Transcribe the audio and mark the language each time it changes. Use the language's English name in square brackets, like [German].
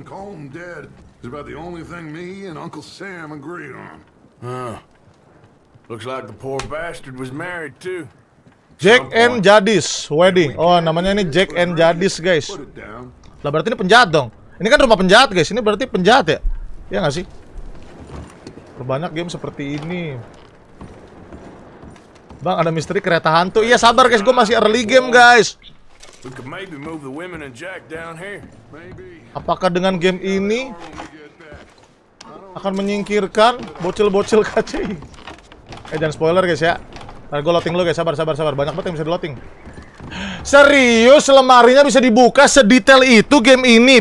[English] Colm dead is about the only thing me and Uncle Sam agree on. Looks like the poor bastard was married too. [Indonesian] Jack and Jadis wedding. Oh, namanya ini Jack and Jadis guys. Lah berarti ini penjahat dong. Ini kan rumah penjahat guys. Ini berarti penjahat ya? Ya nggak sih? Terbanyak game seperti ini. Bang, ada misteri kereta hantu. Iya, sabar guys. Gue masih early game guys. [English] We could maybe move the women and Jack down here. Maybe. [Indonesian] Apakah dengan game ini akan menyingkirkan bocil-bocil KCI? Eh, jangan spoiler guys ya. Ntar gue loading dulu guys, sabar. Banyak banget yang bisa di-loading. Serius, lemarinya bisa dibuka sedetail itu game ini?